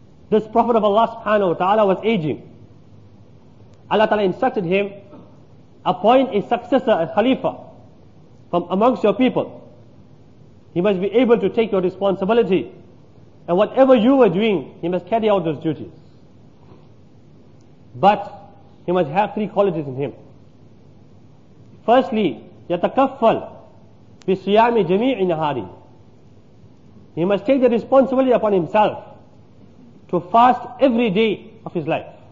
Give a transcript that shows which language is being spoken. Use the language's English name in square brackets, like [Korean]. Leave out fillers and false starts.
[English] This prophet of Allah subhanahu wa ta'ala was aging. Allah Ta'ala instructed him, appoint a successor, a Khalifa, from amongst your people. He must be able to take your responsibility. And whatever you were doing, he must carry out those duties. But he must have three qualities in him. Firstly, [Arabic] يتكفل بصيام جميع نهاري. [English] He must take the responsibility upon himself to fast every day of his life.